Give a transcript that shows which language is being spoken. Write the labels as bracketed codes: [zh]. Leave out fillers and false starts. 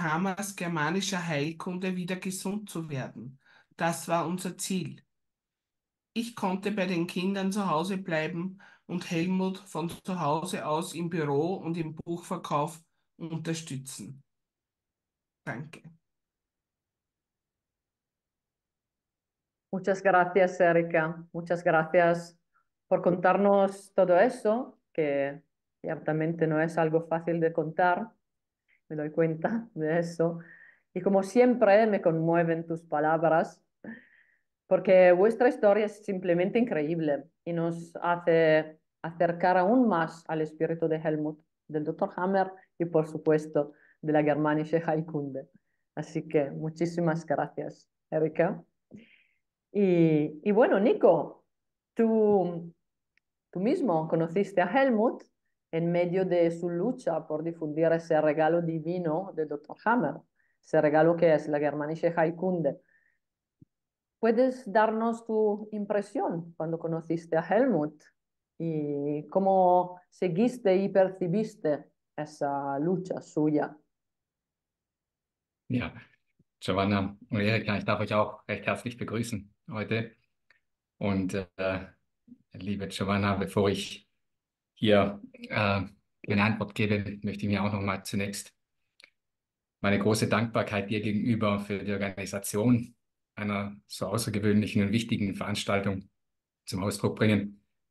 [de] Hammers germanischer Heilkunde wieder gesund zu werden. Das war unser Ziel. Ich konnte bei den Kindern zu Hause bleiben und Helmut von zu Hause aus im Büro und im Buchverkauf unterstützen. Danke. [es] Muchas gracias, Erika. Muchas gracias por contarnos todo eso, que Ciertamente no es algo fácil de contar, me doy cuenta de eso. Y como siempre me conmueven tus palabras, porque vuestra historia es simplemente increíble y nos hace acercar aún más al espíritu de Helmut, del Dr. Hammer y por supuesto de la Germanische Heilkunde. Así que muchísimas gracias, Erika. Y bueno, Nico, tú mismo conociste a Helmut en medio de su lucha por difundir ese regalo divino del Dr. Hammer, ese regalo que es la Germanische Heilkunde. ¿Puedes darnos tu impresión cuando conociste a Helmut y cómo seguiste y percibiste esa lucha suya? [de] Ja, Giovanna und Erika, ich darf euch auch recht herzlich begrüßen heute. Und liebe Giovanna, bevor ich hier eine Antwort gebe, möchte ich mir auch nochmal zunächst meine große Dankbarkeit dir gegenüber für die Organisation einer so außergewöhnlichen und wichtigen Veranstaltung zum Ausdruck bringen.